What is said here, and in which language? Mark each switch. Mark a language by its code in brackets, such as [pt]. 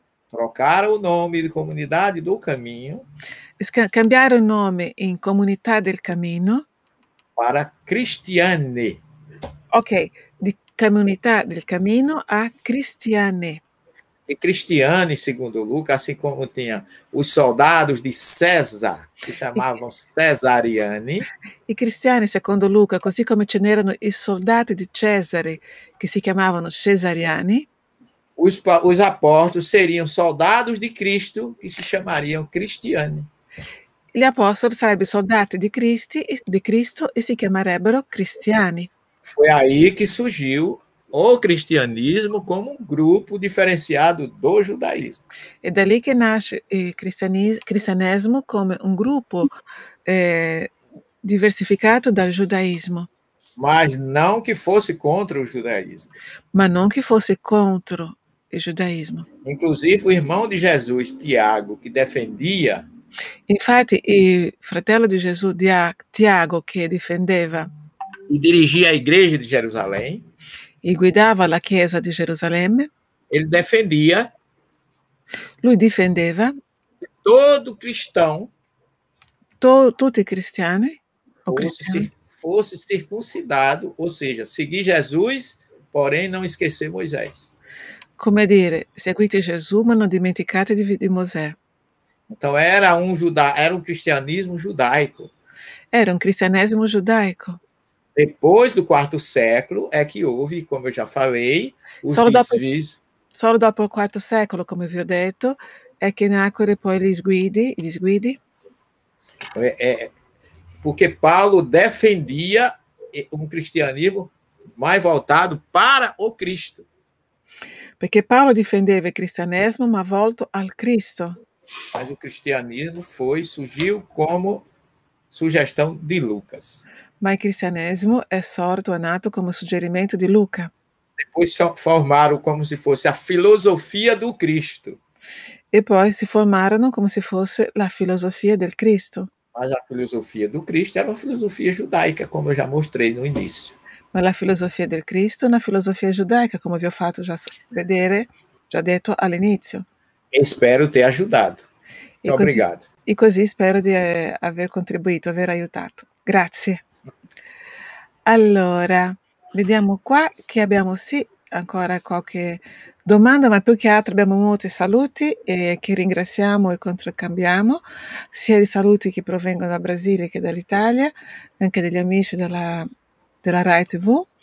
[pt] Trocaram o nome de Comunidade do Caminho. Cambiaram o nome em Comunità del Cammino. Para Cristiane. Ok. [it] Di Comunità del Cammino a Cristiane. [pt] E Cristiane, segundo Lucas, assim como tinha os soldados de César, que chamavam Cesariani. [it] E Cristiane, segundo Lucas, così come ce n'erano i soldati di Cesare, che si chiamavano Cesariani. [pt] Os apóstolos seriam soldados de Cristo, que se chamariam Cristiane. [it] Gli apostoli sarebbero soldati di Cristo e si chiamerebbero cristiani. [pt] Foi aí que surgiu o cristianismo como um grupo diferenciado do judaísmo. E dali que nasce o cristianismo como um grupo diversificado do judaísmo. Mas não que fosse contra o judaísmo. Mas não que fosse contra o judaísmo. Inclusive o irmão de Jesus, Tiago, que defendia... [it] Infatti, o fratello de Jesus, Tiago, que defendeva... [pt] E dirigia a igreja de Jerusalém. [it] E guidava la chiesa di Gerusalemme. [pt] Ele defendia. [it] Lui difendeva. [pt] Todo cristão. [it] Tutti cristiani. [pt] Fosse circuncidado, ou seja, seguir Jesus, porém não esquecer Moisés. [it] Come dire, seguite Gesù, ma non dimenticate di Mosè. [pt] Então era um era um cristianismo judaico. [it] Era um cristianesimo judaico. [pt] Depois do quarto século é que houve, como eu já falei, os desvios. [it] Solo dopo il quarto secolo, come vi ho detto, è che nacquero poi gli sguidi. [pt] Porque Paulo defendia um cristianismo mais voltado para o Cristo. Porque [it] Paulo defendeva il cristianesimo, ma volto al Cristo. [pt] Mas o cristianismo surgiu como sugestão de Lucas. [it] Ma il cristianesimo è nato come suggerimento di Luca. [pt] Depois formaram como se fosse a filosofia do Cristo. [it] E poi si formarono come se fosse la filosofia del Cristo. [pt] Mas a filosofia do Cristo era uma filosofia judaica, como eu já mostrei no início. [it] Ma la filosofia del Cristo è una filosofia giudaica, come vi ho fatto già vedere, già detto all'inizio. [pt] Espero ter ajudado. Muito obrigado. [it] E così spero di aver contribuito, aver aiutato. Grazie. Allora, vediamo qua che abbiamo sì ancora qualche domanda, ma più che altro abbiamo molti saluti e che ringraziamo e controcambiamo, sia i saluti che provengono da Brasile che dall'Italia, anche degli amici della Rai TV.